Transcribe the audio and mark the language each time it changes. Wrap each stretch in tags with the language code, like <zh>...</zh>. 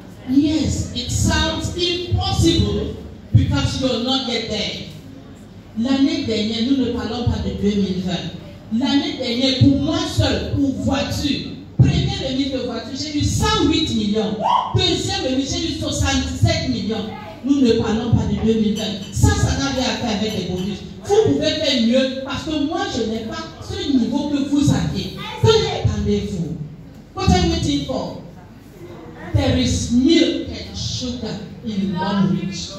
<en>Yes, it sounds impossible because you're not yet there.</en> <fr>L'année dernière, nous ne parlons pas de 2020. L'année dernière, pour moi seul, pour voiture, premier revenu de voiture, j'ai eu 108 millions. Deuxième revenu, j'ai eu 67 millions. Nous ne parlons pas de 2020. Ça, ça n'a rien à faire avec les bonus. Vous pouvez faire mieux parce que moi, je n'ai pas ce niveau que vous avez. Que attendez-vous?</fr> <en>What are you waiting for? There is milk and sugar in one week.</en>